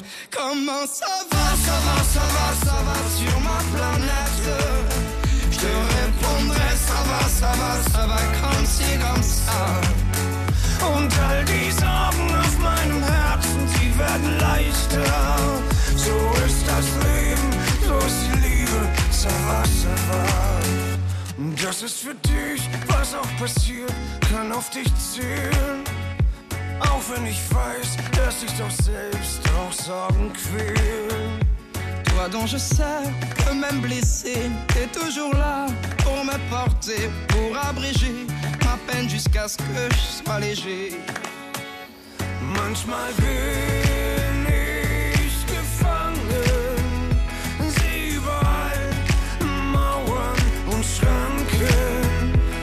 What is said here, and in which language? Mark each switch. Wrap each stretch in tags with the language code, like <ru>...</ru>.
<fr>Comment ça va, ça va, ça va, ça va sur ma planète. Je te répondrai, ça va, ça va, ça va comme ci, comme ça.</fr> <de>Und all die Sorgen auf meinem Herzen, sie werden leichter. So ist das Leben, so ist die Liebe,</de> <fr>ça va, ça va.</fr> <de>Das ist für dich, was auch passiert, kann auf dich zählen. Auch wenn ich weiß, dass ich doch selbst auch Sorgen quäl.</de> <fr>Toi dont je sais que même blessé, t'es toujours là pour me porter, pour abréger ma peine jusqu'à ce que je sois léger.</fr> <de>Manchmal bin ich gefangen, sieh überall Mauern und Schranken.</de>